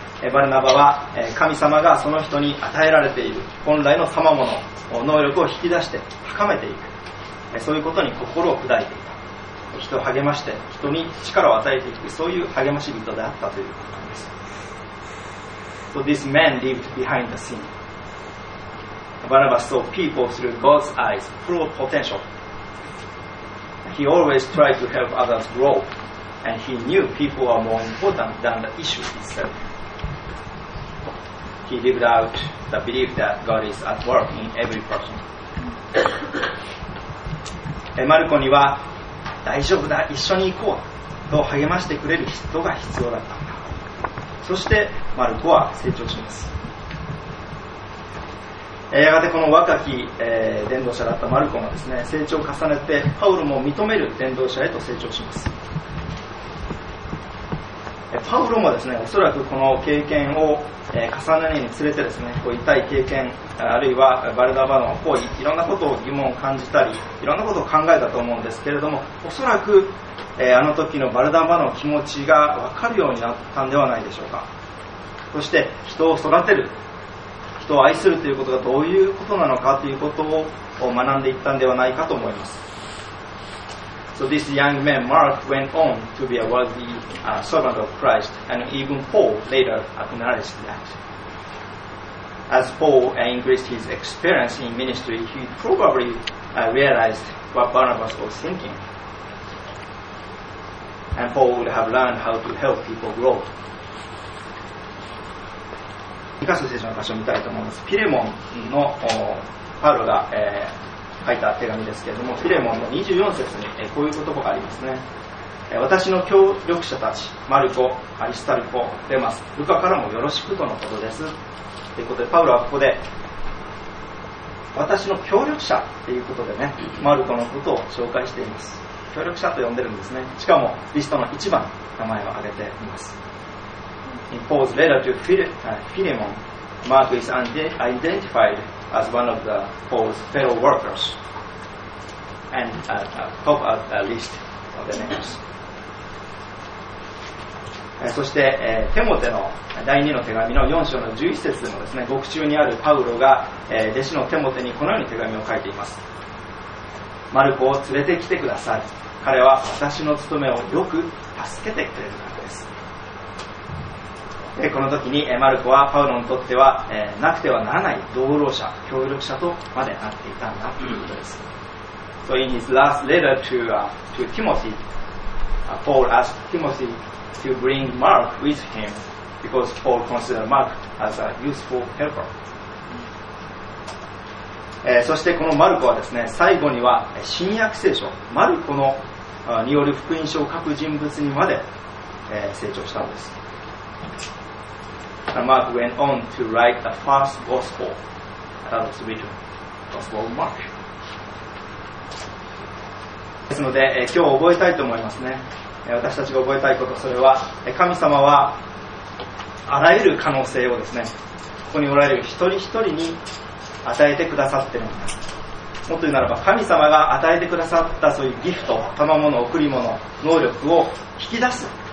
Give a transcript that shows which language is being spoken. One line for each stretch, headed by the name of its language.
Japanese: バルナバは神様がその人に与えられている本来の賜物能力を引き出して高めていく、そういうことに心を砕いていた。人を励まして人に力を与えていく、そういう励まし人であったということなんです。
English: So this man lived behind the scene. Barnabas saw people through God's eyes, full of potential. He always tried to help others grow, and he knew people are more important than the issue itself. he lived out the belief that God is at work in every person.
Japanese: マルコには大丈夫だ、一緒に行こうと励ましてくれる人が必要だったんだ。そしてマルコは成長します。やがてこの若き、伝道者だったマルコもですね、成長を重ねてパウロも認める伝道者へと成長します。パウロもですね、おそらくこの経験を、重ねるにつれてですね、こう痛い経験、あるいはバルナバの行為、いろんなことを疑問を感じたり、いろんなことを考えたと思うんですけれども、おそらく、あの時のバルナバの気持ちが分かるようになったんではないでしょうか。そして人を育てる、人を愛するということがどういうことなのかということを学んでいったんではないかと思います。
English: So this young man Mark went on to be a worthy servant of Christ, and even Paul later acknowledged that. As Paul increased his experience in ministry, he probably realized what Barnabas was thinking, and Paul would have learned how to help people grow.
Japanese: 2カ所聖書の箇所を見たいと思います。フィレモンのパウロが、書いた手紙ですけれども、フィレモンの24節に、こういう言葉がありますね。私の協力者たち、マルコ、アリスタルコ、デマス、ルカからもよろしくとのことです。ということで、パウロはここで、私の協力者ということでね、マルコのことを紹介しています。協力者と呼んでるんですね。しかも、リストの一番名前を挙げています。
English: In Paul's letter to Philemon, Mark is identified as one of the Paul's fellow workers and top of the list of the names.
Japanese: そして、テモテの第2の手紙の4章の11節でもですね、獄中にあるパウロが、弟子のテモテにこのように手紙を書いています。マルコを連れてきてください。彼は私の務めをよく助けてくれるからです。この時にマルコはパウロにとってはなくてはならない同労者、協力者とまでなっていたんだということです。
English: So in his last letter to Timothy, Paul asked Timothy to bring Mark with him because Paul considered Mark as a useful helper.
Japanese: そしてこのマルコはですね、最後には新約聖書、マルコのによる福音書を書く人物にまで成長したんです。
English: Mark went on to write the first gospel that was written, Gospel of Mark.
Japanese: ですので、今日覚えたいと思いますね。私たちが覚えたいこと、それは神様はあらゆる可能性をですね、ここにおられる一人一人に与えてくださっているんです。もっと言うならば、神様が与えてくださったそういうギフト、賜物、贈り物、能力を引き出す。